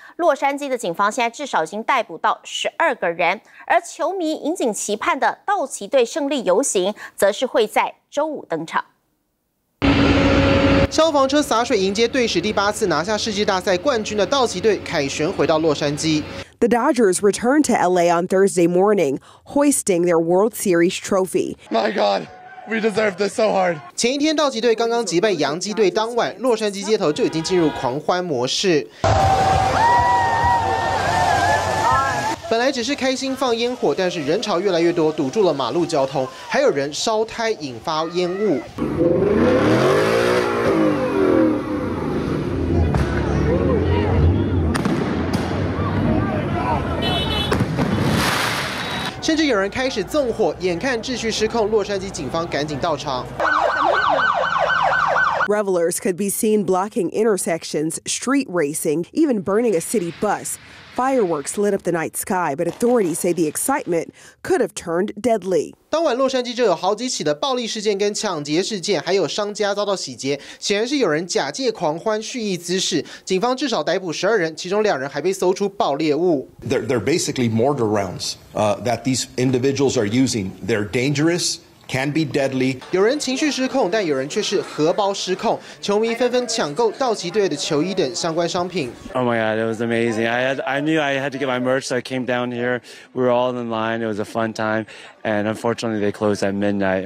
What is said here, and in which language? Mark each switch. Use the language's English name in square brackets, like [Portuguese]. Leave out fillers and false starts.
[Chinese] 洛杉矶的警方现在至少已经逮捕到12个人，而球迷引颈期盼的道奇队胜利游行则是会在周五登场。消防车洒水迎接队史第八次拿下世界大赛冠军的道奇队凯旋回到洛杉矶。 [English] The Dodgers returned to LA on Thursday morning, hoisting their World Series trophy. My God, we deserve this so hard. [Chinese] 前一天道奇队刚刚击败洋基队，当晚洛杉矶街头就已经进入狂欢模式。本来只是开心放烟火，但是人潮越来越多，堵住了马路交通，还有人烧胎引发烟雾。甚至有人开始纵火，眼看秩序失控，洛杉矶警方赶紧到场。 [English] Revelers could be seen blocking intersections, street racing, even burning a city bus. Fireworks lit up the night sky, but authorities say the excitement could have turned deadly. [Chinese] 当晚洛杉矶就有好几起的暴力事件跟抢劫事件，还有商家遭到洗劫，显然是有人假借狂欢蓄意滋事。警方至少逮捕12人，其中2人还被搜出爆裂物。 [English] They're basically mortar rounds, that these individuals are using. They're dangerous. Can be deadly. [Chinese] 有人情绪失控，但有人却是荷包失控。球迷纷纷抢购道奇队的球衣等相关商品。 [English] Oh my God, it was amazing. I knew I had to get my merch, so I came down here. We were all in line. It was a fun time. And unfortunately, they closed at midnight.